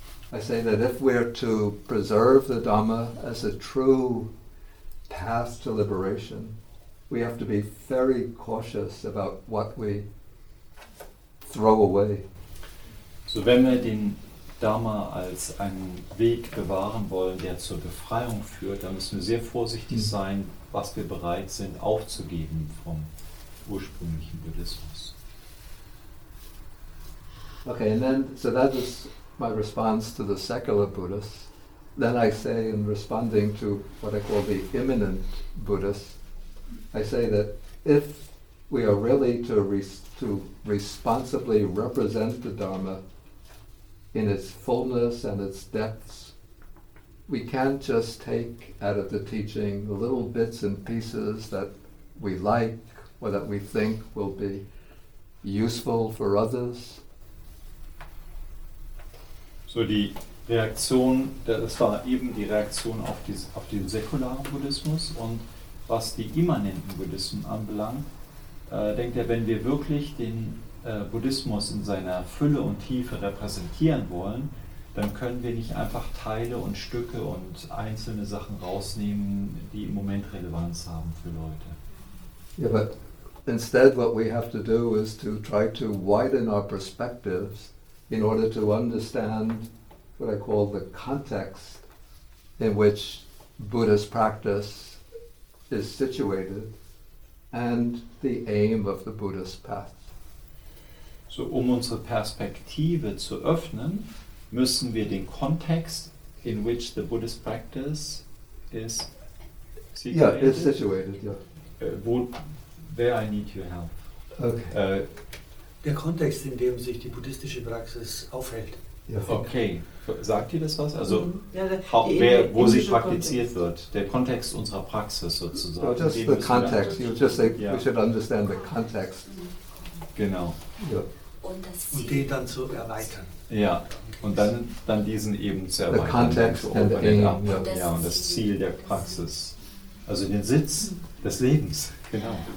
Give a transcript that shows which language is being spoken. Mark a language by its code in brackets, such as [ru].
[en] I say that if we are to preserve the Dhamma as a true path to liberation, we have to be very cautious about what we throw away. [de] So wenn wir den Dharma als einen Weg bewahren wollen, der zur Befreiung führt, dann müssen wir sehr vorsichtig sein, was wir bereit sind aufzugeben vom ursprünglichen Buddhismus. [en] Okay, and then, so that is my response to the secular Buddhists. Then I say, in responding to what I call the immanent Buddhists, I say that if we are really to responsibly represent the Dharma in its fullness and its depths, we can't just take out of the teaching little bits and pieces that we like or that we think will be useful for others. [de] So die Reaktion, das war eben die Reaktion auf den säkularen Buddhismus, und was die immanenten Buddhisten anbelangt, denkt er, wenn wir wirklich den Buddhismus in seiner Fülle und Tiefe repräsentieren wollen, dann können wir nicht einfach Teile und Stücke und einzelne Sachen rausnehmen, die im Moment Relevanz haben für Leute. [en] Yeah, but instead what we have to do is to try to widen our perspectives in order to understand what I call the context in which Buddhist practice is situated and the aim of the Buddhist path. [de] So, um unsere Perspektive zu öffnen, müssen wir den Kontext, [en] in which the Buddhist practice is situated. Yeah, it's situated, yeah. Where I need your help. Okay. [de] Der Kontext, in dem sich die buddhistische Praxis aufhält. Yeah. Okay, sagt dir das was? Also, wo sie praktiziert wird, der Kontext unserer Praxis sozusagen. [en] So just the context, you just say, yeah. We should understand the context. [de] Genau. [en] Yeah. [de] Und den dann zu erweitern. Ja, und dann diesen eben zu erweitern. [en] The context [de] und [en] the aim. [de] Ja, und das Ziel der Praxis. Also den Sitz des Lebens, genau.